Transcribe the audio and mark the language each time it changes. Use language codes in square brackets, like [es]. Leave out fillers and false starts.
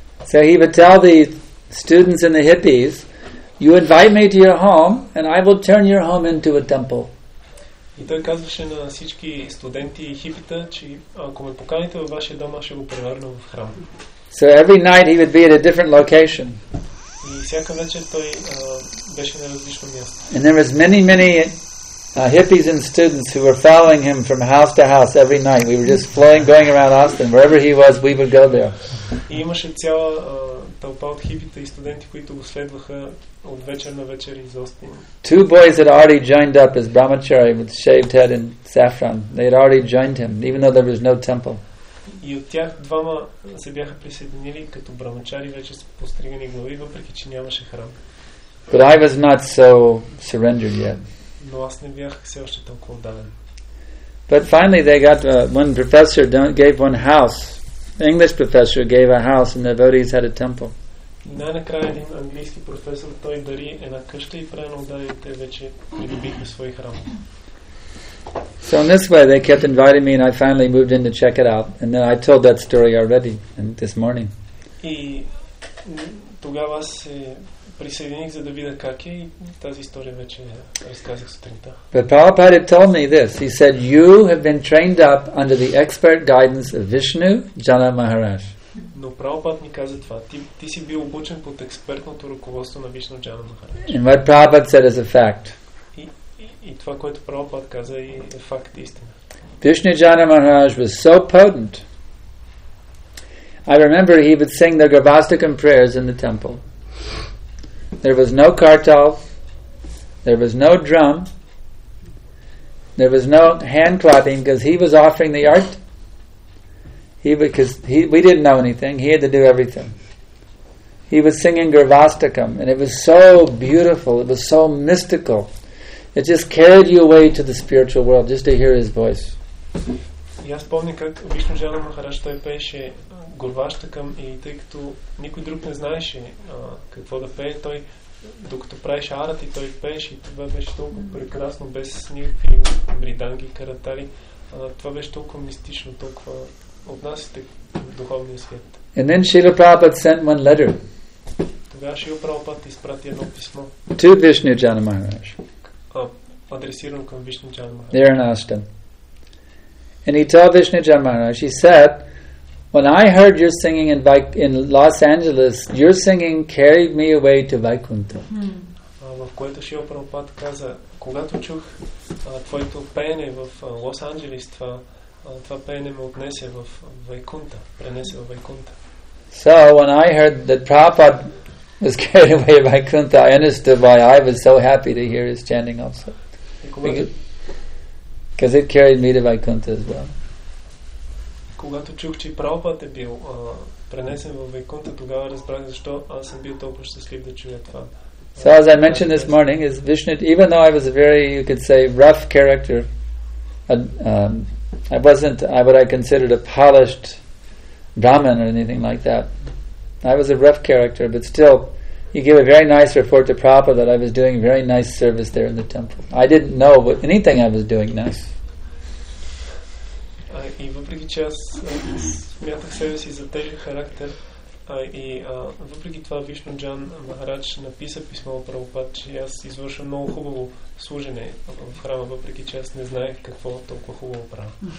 [en] So he would tell the students and the hippies, you invite me to your home, and I will turn your home into a temple. [bg] И той казваше на всички студенти и хипита, че ако ме поканите във вашия дом, ще го превърна в храм. [en] So every night he would be at a different location. [bg] И всяка вечер той беше на различно място. [en] And there was many hippies and students who were following him from house to house every night. We were just flying, going around Austin. Wherever he was, we would go there. [bg] И имаше цяла тълпа от хипита и студенти, които го следваха от вечер на вечер из Остин. [en] Two boys had already joined up as brahmachari with shaved head and saffron. They had already joined him, even though there was no temple. [bg] И от тях двама се бяха присъединили като брамачари вече с постригани глави, въпреки че нямаше храм. [en] But I was not so surrendered yet. [bg] Но аз не бях все още толкова отдаден. [en] But finally they got one professor gave one house. The English professor gave a house and the devotees had a temple. [bg] Най-накрая един английски професор той дари една къща и правилно отдадете вече придобихме свой храм. [en] So in this way they kept inviting me and I finally moved in to check it out. And then I told that story already and this morning. [bg] И тогава се присъединих за да видя как е и тази история вече разказах сутринта. [en] But Prabhupada told me this. He said, you have been trained up under the expert guidance of Vishnu Jana Maharaj. [bg] Но Прабхупад ни каза това. Ти си бил обучен под експертното ръководство на Вишну Джана Махарадж. [en] And what Prabhupada said is a fact. [bg] И това, което Прабхупад каза, е факт истина. [en] Вишну Джана Махарадж was so potent. I remember he would sing the Garbhastakam prayers in the temple. There was no kartal. There was no drum. There was no hand clapping because he was offering the art. We didn't know anything. He had to do everything. He was singing Garbhastakam, and it was so beautiful. It was so mystical. It just carried you away to the spiritual world just to hear his voice. [bg] Я спомня как Вишну Джана Махарадж той пееше Горващакам и тъй като никой друг не знаеше какво да пее, той докато правеше арат и той пееше и това беше толкова прекрасно, без никакви мриданги, каратари. Това беше толкова мистично, толкова отнасяте в духовния свят. [en] And then Srila Prabhupada sent one letter. [bg] Тогава Шрила Прабхупад изпрати едно писмо. [en] To Vishnu Jana Maharaj. [bg] Адресирано към Вишну Джана Махарадж. [en] There in Austin. And he told Vishnu Jana Maharaj, he said, when I heard your singing in Los Angeles, your singing carried me away to Vaikuntha. [bg] В което Шрила Прабхупад каза, когато чух твоето пеене в Лос Анджелес, това пеене ме отнесе в Вайкунта, пренесе в Вайкунта. [en] So when I heard that Prabhupada was carried away by Kunta, I understood why I was so happy to hear his chanting also. Because it carried me to Vaikuntha as well. [bg] Когато чух, че Прабхупад е бил пренесен в Вайкунта, тогава разбрах защо аз съм бил толкова щастлив да чуя това. [en] So as I mentioned this morning, is Vishnu, even though I was a very, you could say, rough character, I wasn't what I considered a polished Brahman or anything like that. I was a rough character, but still, he gave a very nice report to Prabhupada that I was doing very nice service there in the temple. I didn't know what anything I was doing nice. [bg] И въпреки че аз смятах себе си за тежък характер, Въпреки това Вишну Джан Махарадж написа писмо на Прабхупад, че аз извършвам много хубаво служене в храма, въпреки че аз не знаех какво толкова хубаво правя.